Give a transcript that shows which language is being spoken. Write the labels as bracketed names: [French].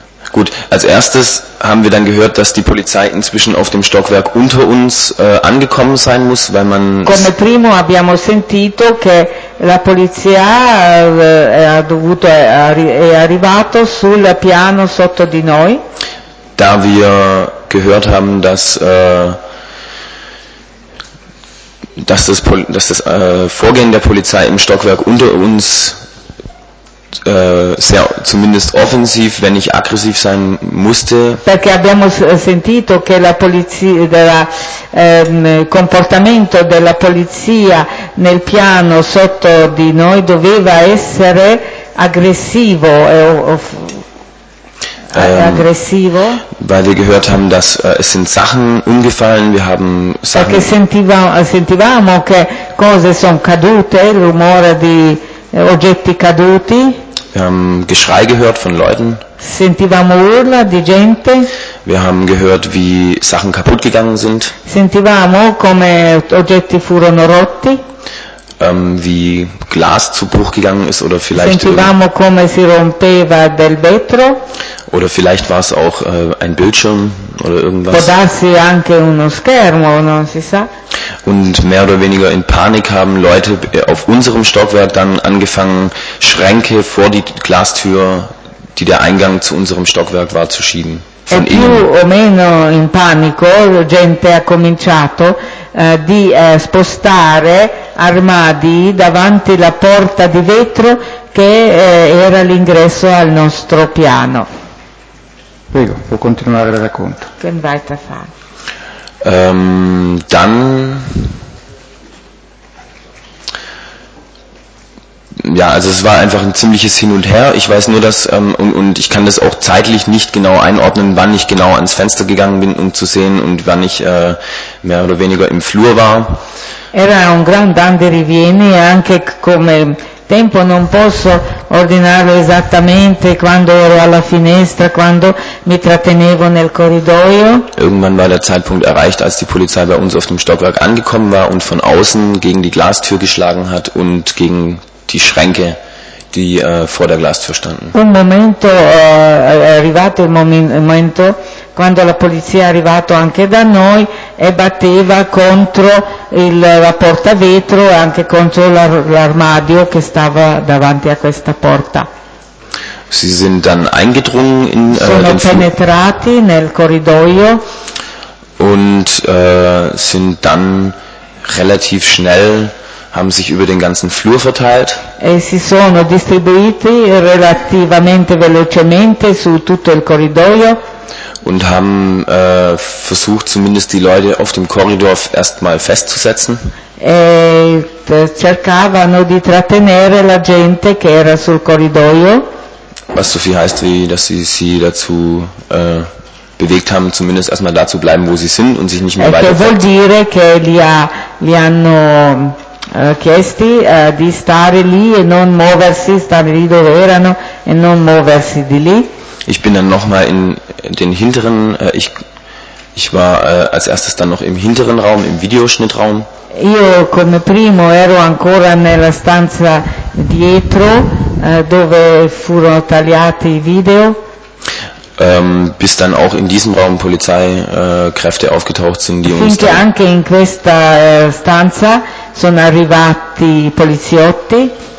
[German] Gut, als erstes haben wir dann gehört, dass die Polizei inzwischen auf dem Stockwerk unter uns angekommen sein muss, weil man... [Italian] Come primo abbiamo sentito che la polizia è arrivato sul piano sotto di noi. [German] Da wir gehört haben, dass dass das Vorgehen der Polizei im Stockwerk unter uns sehr zumindest offensiv, wenn nicht aggressiv sein musste. [Italian] Perché abbiamo sentito che la polizia del comportamento della polizia nel piano sotto di noi doveva essere aggressivo. Aggressivo. [German] Weil wir gehört haben, dass es sind Sachen umgefallen, wir haben Sachen. [Italian] Perché sentivamo che cose sono cadute, il rumore di oggetti caduti. [German] Wir haben Geschrei gehört von Leuten. [Italian] Sentivamo urla di gente. [German] Wir haben gehört, wie Sachen kaputt gegangen sind. [Italian] Sentivamo come oggetti furono rotti. [German] Wie Glas zu Bruch gegangen ist oder vielleicht. [Italian] Sentivamo come si rompeva del vetro. [German] Oder vielleicht war es auch ein Bildschirm oder irgendwas. [Italian] Può darsi anche uno schermo, non si sa. [German] Und mehr oder weniger in Panik haben Leute auf unserem Stockwerk dann angefangen, Schränke vor die Glastür, die der Eingang zu unserem Stockwerk war, zu schieben. [Italian] Von e più o meno in panico, gente ha cominciato di spostare armadi davanti la porta di vetro che era l'ingresso al nostro piano. Prego, può continuare il racconto. Che invita fa? [German] Dann, ja, also es war einfach ein ziemliches Hin und Her. Ich weiß nur, dass und ich kann das auch zeitlich nicht genau einordnen, wann ich genau ans Fenster gegangen bin, um zu sehen, und wann ich mehr oder weniger im Flur war. [Italian] Era un grande andirivieni, anche come tempo non posso ordinarlo esattamente quando ero alla finestra, quando mi trattenevo nel corridoio. [German] Irgendwann war der Zeitpunkt erreicht, als die Polizei bei uns auf dem Stockwerk angekommen war und von außen gegen die Glastür geschlagen hat und gegen die Schränke, die vor der Glastür standen. [Italian] Un momento è arrivato il momento quando la polizia è arrivato anche da noi e batteva contro la porta vetro e anche contro l'armadio che stava davanti a questa porta. [German] Sie sind dann eingedrungen in [Italian] sono penetrati nel corridoio [German] und sind dann relativ schnell, haben sich über den ganzen Flur verteilt. [Italian] E si sono distribuiti relativamente velocemente su tutto il corridoio. [German] Und haben versucht, zumindest die Leute auf dem Korridor erstmal festzusetzen. [Italian] E cercavano di trattenere la gente che era sul corridoio. [German] Was so viel heißt, wie dass sie sie dazu bewegt haben, zumindest erstmal da zu bleiben, wo sie sind und sich nicht mehr weiter. [Italian] Che vuol dire che li hanno chiesti di stare lì e non muoversi, stare lì dove erano e non muoversi di lì. [German] Ich bin dann noch mal in den hinteren ich war als erstes dann noch im hinteren Raum, im Videoschnittraum. [Italian] Io come primo ero ancora nella stanza dietro dove furono tagliati i video. [German] Bis dann auch in diesem Raum Polizeikräfte aufgetaucht sind, die uns [Italian] dann anche in questa stanza sono arrivati poliziotti